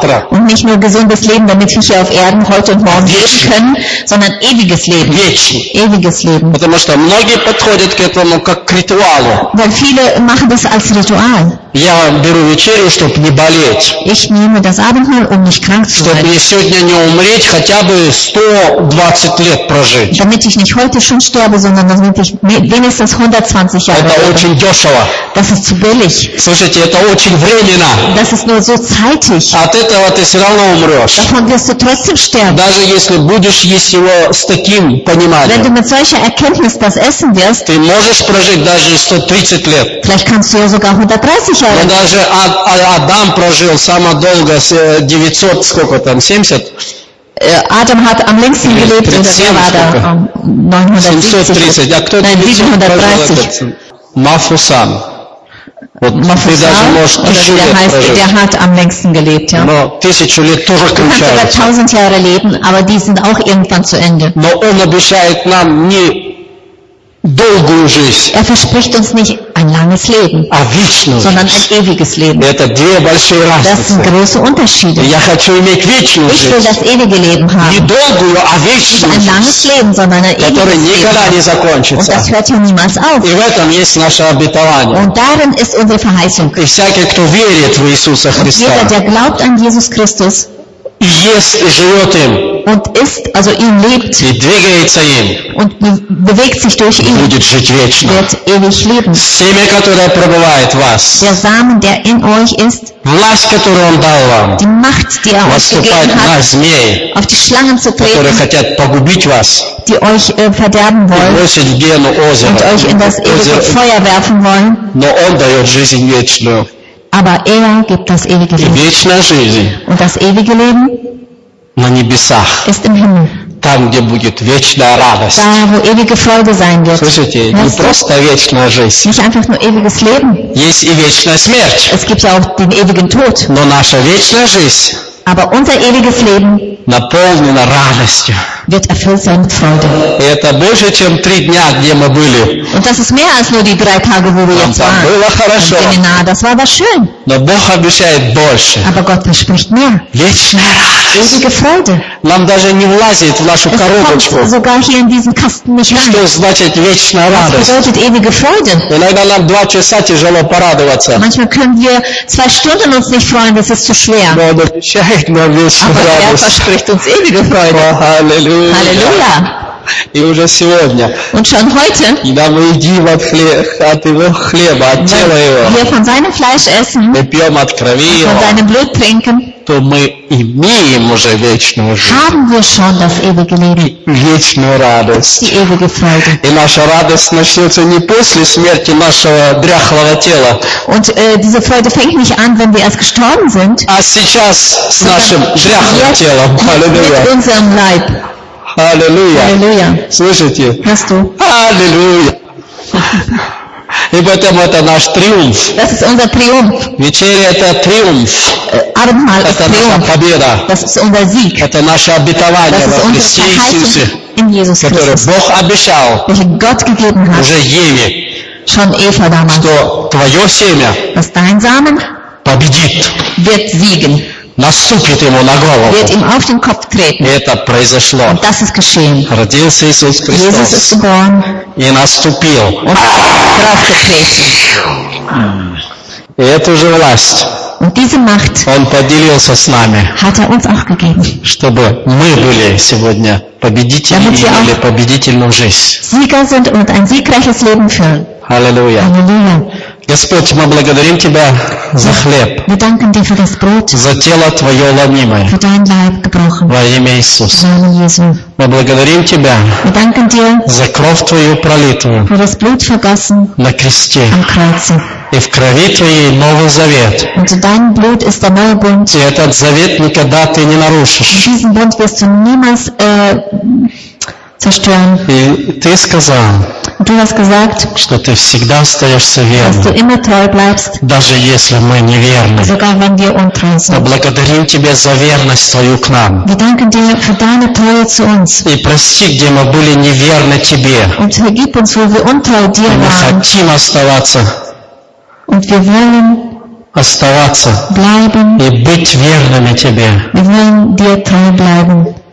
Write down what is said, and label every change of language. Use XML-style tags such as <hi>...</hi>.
<de>und nicht nur gesundes Leben, damit wir hier auf Erden heute und morgen leben können, sondern ewiges Leben. Ewiges Leben.</de> <ru>Потому что многие подходят к этому как к ритуалу.</ru> <de>Weil viele machen das als Ritual.</de> <ru>Я беру вечерю, чтобы не болеть.</ru> <de>Ich nehme das Abendmahl, um nicht krank zu</de> <ru>чтобы</ru> <de>sein.</de> <ru>Сегодня не умереть, хотя бы 120 лет прожить.</ru> <de>Damit ich nicht heute schon sterbe, sondern damit ich wenigstens 120 Jahre</de> <ru>это очень дешево.</ru> <de>Das ist zu billig.</de> <ru>Слушайте, это очень временно.</ru> <de>Das ist nur so zeitig.</de> <ru>От этого ты все равно умрешь.</ru> <de>Davon wirst du trotzdem sterben.</de> <ru>Даже если будешь есть его с таким пониманием.</ru> <de>Wenn du mit solcher Erkenntnis das essen wirst,</de> <ru>ты можешь прожить даже 130 лет.</ru> <de>Vielleicht kannst du ja sogar 130.</de> <ru>Но даже Адам прожил самое долгое 900, сколько там, 70?</ru> <de>Адам hat am längsten gelebt, oder war er?</de> <ru>930. А кто это? 930. Мафусан. Вот Мафусан, ты даже можешь тысячу лет прожить.</ru> <de>Der hat am längsten gelebt, ja.</de> <ru>Но тысячу лет тоже кончается.</ru> <de>Du kannst sogar 1000 Jahre leben, aber die sind auch irgendwann zu Ende.</de> <ru>Но он обещает нам не долгую жизнь.</ru> <de>Er verspricht uns nicht ein langes Leben,</de> <ru>а вечную</ru> <de>sondern</de> <ru>жизнь.</ru> <de>Ein ewiges Leben.</de> <ru>Это две большие разницы.</ru> <de>Das sind große Unterschiede.</de> <ru>Я хочу иметь вечную</ru> <de>ich</de> <ru>жизнь.</ru> <de>Will das ewige Leben haben.</de> <ru>Не долгую, а вечную</ru> <de>nicht ein langes</de> <ru>жизнь,</ru> <de>Leben, sondern ein ewiges</de> <ru>которое никогда</ru> <de>Leben.</de> <ru>Не закончится.</ru> <de>Und das hört hier niemals auf.</de> <ru>И в этом есть наше обетование.</ru> <de>Und darin ist unsere Verheißung.</de> <ru>И всякий, кто верит в Иисуса Христа,</ru> <de>jeder, der glaubt an Jesus Christus,</de> <ru>ест и живет им,</ru> <de>und ist, also ihn lebt,</de> <ru>и двигается им,</ru> <de>und bewegt sich durch ihn,</de> <ru>будет жить вечно,</ru> <de>wird ewig leben.</de> <ru>Семя, которое пребывает в вас,</ru> <de>der Samen, der in euch ist,</de> <ru>власть, которую он дал вам,</ru> <de>die Macht, die er euch gegeben hat,</de> <ru>на змеи,</ru> <de>auf die Schlangen zu treten,</de> <ru>которые хотят погубить вас,</ru> <de>die euch verderben wollen,</de> <ru>и бросить в гену озеро,</ru> <de>und euch in das ewige Feuer werfen wollen,</de> <ru>но он дает жизнь вечную.</ru> <de>Aber er gibt das ewige Leben.</de> <ru>И вечная жизнь.</ru> <de>Und das ewige Leben</de> <ru>на небесах.</ru> <de>Ist im Himmel.</de> <ru>Там, где будет вечная радость.</ru> <de>Da, wo ewige Freude sein wird. Слушайте, weißt не du?</de> <ru>Просто вечная жизнь.</ru> <de>Nicht einfach nur ewiges Leben.</de> <ru>Есть и вечная смерть.</ru> <de>Es gibt ja auch den ewigen Tod.</de> <ru>Но наша вечная жизнь</ru> <de>aber unser ewiges Leben</de> <ru>наполнена радостью.</ru> <de>wird erfüllt sein mit Freude.</de> <ru>Это больше, чем три дня, где мы были.</ru> <de>Und das ist mehr als nur die drei Tage, wo wir jetzt waren.</de> <ru>Там было хорошо.</ru> <de>Im Seminar, das war aber schön.</de> <ru>Но Бог обещает больше.</ru> <de>Aber Gott verspricht mehr.</de> <ru>Вечная радость.</ru> <de>Ewige Freude.</de> <ru>Нам даже не влазит в нашу коробочку.</ru> <de>Es kommt sogar hier in diesen Kasten nicht rein.</de> <ru>Что значит вечная радость?</ru> <de>Was bedeutet ewige Freude?</de> <ru>Иногда нам два часа тяжело порадоваться.</ru> <de>Manchmal können wir zwei Stunden uns nicht freuen, das ist zu schwer.</de> <ru>Но Он обещает нам вечную</ru> <de>Aber</de> <ru>радость.</ru> <de>Aber er verspricht uns ewige Freude. Halleluja. Halleluja.</de> <ru>И уже сегодня.</ru> <de>Und schon heute.</de> <ru>Когда мы едим от хлеба, от его хлеба, от тела его.</ru> <de>Wir von seinem Fleisch essen.</de> <ru>Мы пьем от крови его.</ru> <de>Von seinem Blut trinken.</de> <ru>То мы имеем уже вечную жизнь.</ru> <de>Haben wir schon das ewige Leben.</de> <ru>Вечную радость.</ru> <de>Die ewige Freude.</de> <ru>И наша радость начнется не после смерти нашего дряхлого тела.</ru> <de>Und diese Freude fängt nicht an, wenn wir erst gestorben sind.</de> <ru>А сейчас с нашим дряхлым телом.</ru> <de>Halleluja. Mit unserem Leib.</de> <ru>Аллилуйя. Слышите? Аллилуйя. И поэтому это наш триумф.</ru> <de>Das ist unser Triumph.</de> <ru>Вечеря – это триумф.</ru> <de>Abendmahl</de> <ru>это наша победа.</ru> <de>Das ist unser Sieg.</de> <ru>Это наше обетование во Христе Иисусе,</ru> <de>in Jesus</de> <ru>которое</ru> <de>Christus,</de> <ru>Бог обещал,</ru> <de>welche Gott gegeben hat,</de> <ru>уже Еве,</ru> <de>schon Eva damals,</de> <ru>что твое семя,</ru> <de>dass dein Samen</de> <ru>победит,</ru> <de>wird siegen.</de> <ru>Наступит ему на голову.</ru> <de>Wird ihm auf den Kopf treten.</de> <ru>Это произошло.</ru> <de>Und das ist geschehen.</de> <ru>Родился Иисус Христос.</ru> <de>Jesus ist geboren.</de> <ru>И наступил.</ru> <de>Und drauf getreten.</de> <ru>И эту же власть.</ru> <de>Und diese Macht.</de> <ru>Он поделился с нами.</ru> <de>Hat er uns auch gegeben.</de> <ru>Чтобы мы были сегодня победители и имели победительную жизнь.</ru> <de>Sieger sind und ein siegreiches Leben führen. Halleluja. Halleluja.</de> <ru>Господь, мы благодарим Тебя за хлеб,</ru> <de>wir danken dir für das Brot,</de> <ru>за тело Твое ломимое,</ru> <de>für dein Leib gebrochen,</de> <ru>во имя Иисуса.</ru> <de>Im Namen Jesu.</de> <ru>Мы благодарим Тебя,</ru> <de>wir danken dir,</de> <ru>за кровь Твою пролитую,</ru> <de>für das Blut vergossen,</de> <ru>на кресте,</ru> <de>am Kreuze.</de> <ru>И в крови Твоей Новый Завет.</ru> <de>Und dein Blut ist der neue Bund.</de> <ru>И этот завет никогда Ты не нарушишь.</ru> <de>Und diesen Bund wirst du niemals, zerstören.</de> <ru>И Ты сказал,</ru> <de>Du hast gesagt,</de> <ru>что ты всегда остаешься верным,</ru> <de>dass du immer treu bleibst,</de> <ru>даже если мы неверны.</ru> <de>Sogar wenn wir untreu sind.</de> <ru>Мы благодарим Тебя за верность Твою к нам.</ru> <de>Wir danken dir für deine Treue zu uns.</de> <ru>И прости, где мы были неверны Тебе.</ru> <de>Und vergib uns, wo wir untreu dir waren.</de> <ru>Мы хотим оставаться.</ru> <de>Und wir wollen</de> <ru>оставаться.</ru> <de>Bleiben.</de> <ru>И быть верными Тебе.</ru> <de>Wir wollen dir treu bleiben.</de>